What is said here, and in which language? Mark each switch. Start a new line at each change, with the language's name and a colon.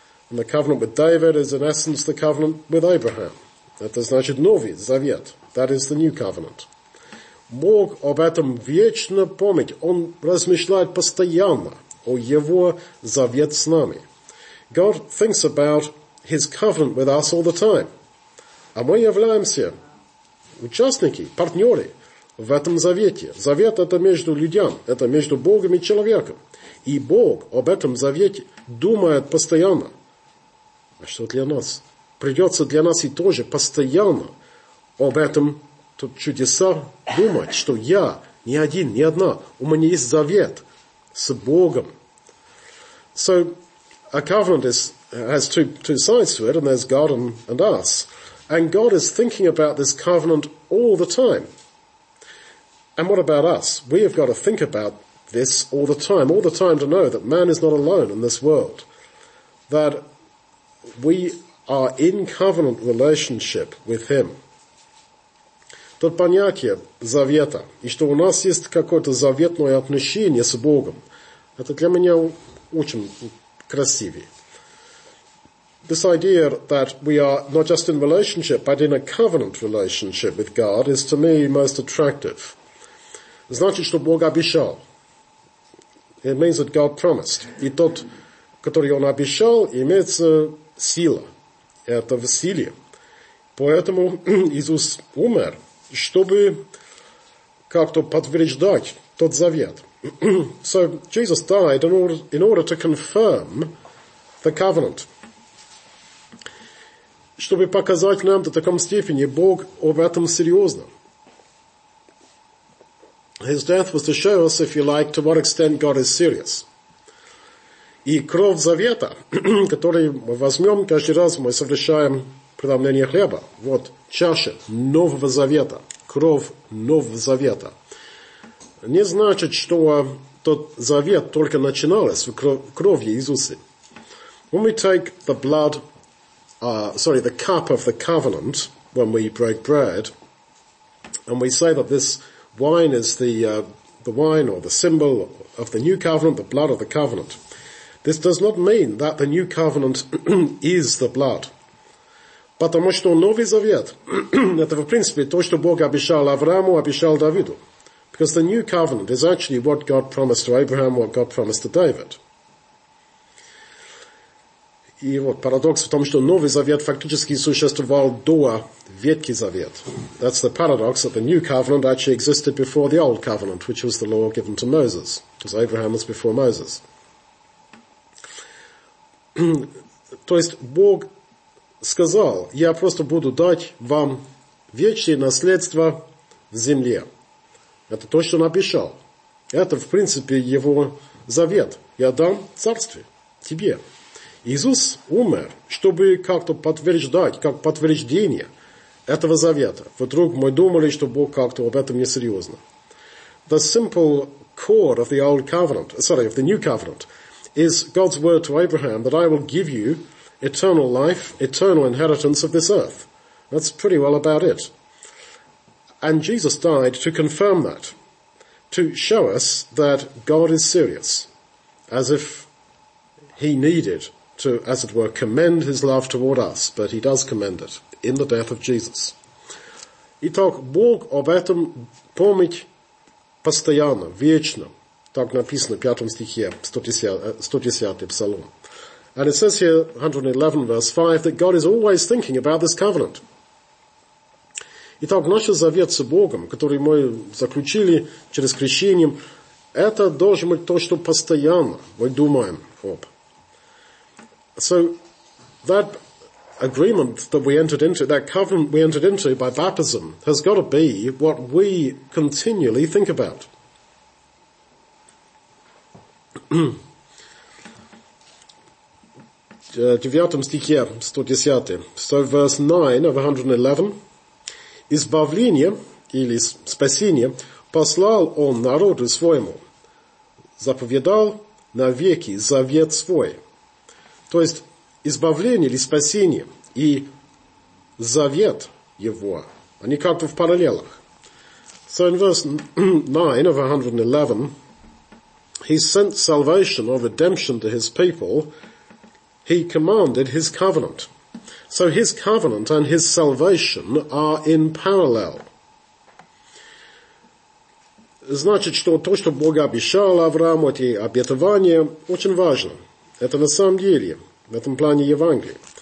English: And the covenant with David is, in essence, the covenant with Abraham.
Russian: Это значит новый завет.
English: That is the new covenant.
Russian: Бог об этом вечно помнит. Он размышляет постоянно о его завет с нами.
English: God thinks about his covenant with us all the time.
Russian: А мы являемся участники, партнеры в этом завете. Завет — это между людям, это между Богом и человеком. И Бог об этом завете думает постоянно. А что для нас? Придется для нас и тоже постоянно об этом тут чудеса думать, что я не один, не одна. У меня есть завет с Богом.
English: So, a covenant has two sides to it, and there's God and us. And God is thinking about this covenant all the time. And what about us? We have got to think about this all the time to know that man is not alone in this world. That we are in covenant relationship with him.
Russian: Тот понятие завета, и что у нас есть какое-то заветное отношение с Богом, это для меня очень красивее.
English: This idea that we are not just in relationship, but in a covenant relationship with God is to me most attractive.
Russian: Значит, что Бог обещал.
English: It means that God promised.
Russian: И тот, который Он обещал, имеется сила. Это в силе. Поэтому Иисус умер, чтобы как-то подтверждать тот завет.
English: So Jesus died in order to confirm the covenant.
Russian: Чтобы показать нам до такой степени, Бог об этом серьезно.
English: His death was to show us, if you like, to what extent God is serious.
Russian: И кровь завета, которую мы возьмем каждый раз, мы совершаем преломление хлеба. Вот чаша нового завета, кровь нового завета. Не значит, что тот завет только начинался в крови Иисуса.
English: When we take the blood, the cup of the covenant, when we break bread, and we say that this wine is the wine or the symbol of the new covenant, the blood of the covenant. This does not mean that the new covenant is the blood.
Russian: Потому что Новый Завет, это в принципе то, что Бог обещал Аврааму, обещал Давиду.
English: Because the new covenant is actually what God promised to Abraham, what God promised to David.
Russian: И вот парадокс в том, что Новый Завет фактически существовал до Ветхий Завет.
English: That's the paradox, that the new covenant actually existed before the old covenant, which was the law given to Moses, because Abraham was before Moses.
Russian: То есть Бог сказал, я просто буду дать вам вечное наследство в земле. Это то, что он обещал. Это, в принципе, его завет. Я дам царствие тебе. Иисус умер, чтобы как-то подтверждать, как подтверждение этого завета. Вдруг мы думали, что Бог как-то об этом несерьезно.
English: The simple core of the old covenant, sorry, of the new covenant, is God's word to Abraham that I will give you eternal life, eternal inheritance of this earth. That's pretty well about it. And Jesus died to confirm that, to show us that God is serious, as if he needed to, as it were, commend his love toward us, but he does commend it in the death of Jesus.
Russian: Итак, Бог об этом помнить постоянно, вечно. Так написано в пятом стихе, 110-й Псалом.
English: And it says here, 111 verse 5, that God is always thinking about this covenant.
Russian: Итак, наш завет с Богом, который мы заключили через крещение, это должно быть то, что постоянно мы думаем об.
English: So that agreement that we entered into, that covenant we entered into by baptism, has got to be what we continually think about.
Russian: Девятом стихе, 110.
English: So verse 9 of 111.
Russian: Избавление, или спасение, послал он народу своему. Заповедал навеки завет свой. То есть, избавление или спасение и завет его, они как-то в параллелях.
English: So in verse 9 of 111, he sent salvation or redemption to his people. He commanded his covenant. So his covenant and his salvation are in parallel.
Russian: Значит, что то, что Бог обещал Аврааму, эти обетования, очень важно. Это на самом деле, в этом плане Евангелия.